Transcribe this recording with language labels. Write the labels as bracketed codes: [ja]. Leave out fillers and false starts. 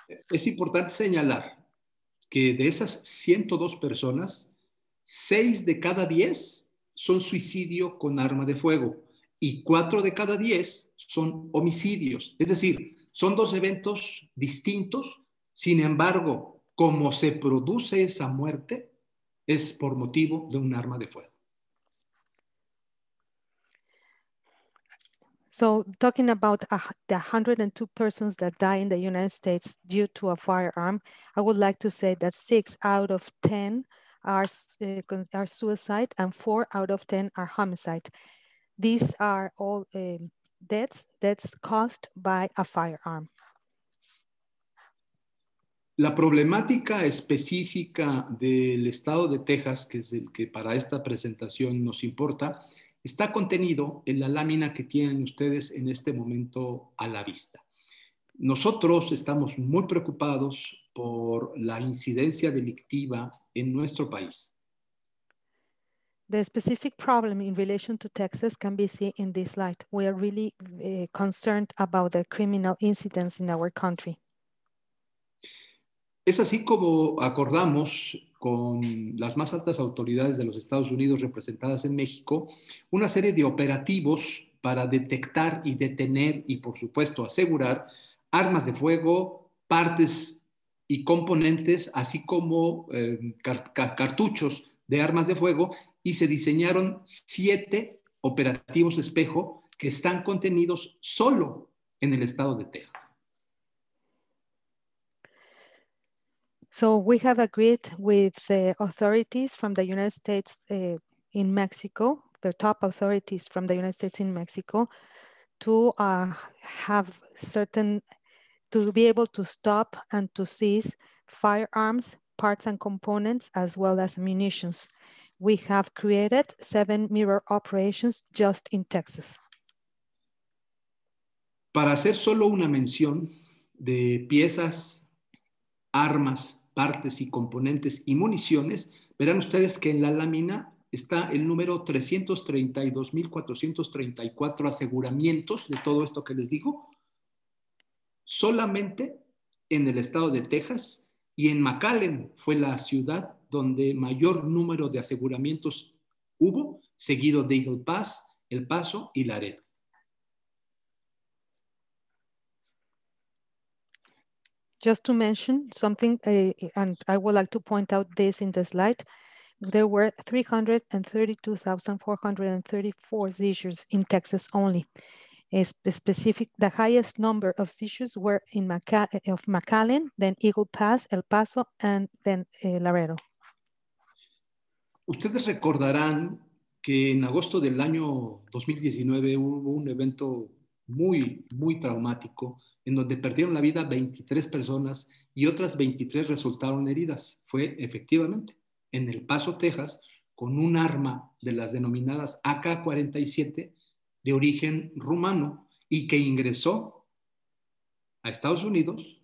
[es] Es importante señalar que de esas 102 personas, 6 de cada 10 son suicidio con arma de fuego y 4 de cada 10 son homicidios. Es decir, son dos eventos distintos, sin embargo, como se produce esa muerte, es por motivo de un arma de fuego. [en] So, talking about the 102 persons that die in the United States due to a firearm, I would like to say that 6 out of 10 are suicide and 4 out of 10 are homicide. These are all deaths caused by a firearm. [es] La problemática específica del estado de Texas, que es el que para esta presentación nos importa, está contenido en la lámina que tienen ustedes en este momento a la vista. Nosotros estamos muy preocupados por la incidencia delictiva en nuestro país. [en] The specific problem in relation to Texas can be seen in this light. We are really concerned about the criminal incidents in our country. [es] Es así como acordamos con las más altas autoridades de los Estados Unidos representadas en México una serie de operativos para detectar y detener y, por supuesto, asegurar armas de fuego, partes y componentes, así como cartuchos de armas de fuego, y se diseñaron 7 operativos espejo que están contenidos solo en el estado de Texas. [en] So we have agreed with the authorities from the United States in Mexico, the top authorities from the United States in Mexico, to be able to stop and to seize firearms, parts and components, as well as munitions. We have created 7 mirror operations just in Texas. [es] Para hacer solo una mención de piezas, armas, partes y componentes y municiones, verán ustedes que en la lámina está el número 332,434 aseguramientos de todo esto que les digo, solamente en el estado de Texas, y en McAllen fue la ciudad donde mayor número de aseguramientos hubo, seguido de Eagle Pass, El Paso y Laredo. [en] Just to mention something, and I would like to point out this in the slide, there were 332,434 seizures in Texas only. The highest number of seizures were in McAllen, then Eagle Pass, El Paso, and then Laredo. [es] Ustedes recordarán que en agosto del año 2019 hubo un evento muy, muy traumático en donde perdieron la vida 23 personas y otras 23 resultaron heridas. Fue efectivamente en El Paso, Texas, con un arma de las denominadas AK-47 de origen rumano y que ingresó a Estados Unidos.